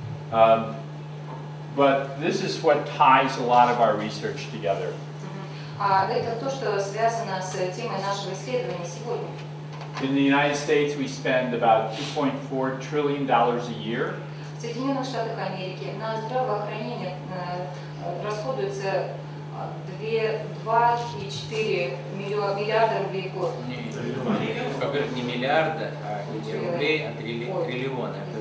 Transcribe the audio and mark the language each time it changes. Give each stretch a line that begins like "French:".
English: But this is what ties a lot of our research together.
Russian: Это то, что связано с темой нашего исследования сегодня.
English: In the United States, we spend about $2.4 trillion a year.
Russian: В Соединенных Штатах Америки на здравоохранение расходуется 2.4 миллиарда рублей в год. Не миллиарда, а рублей, а триллиона.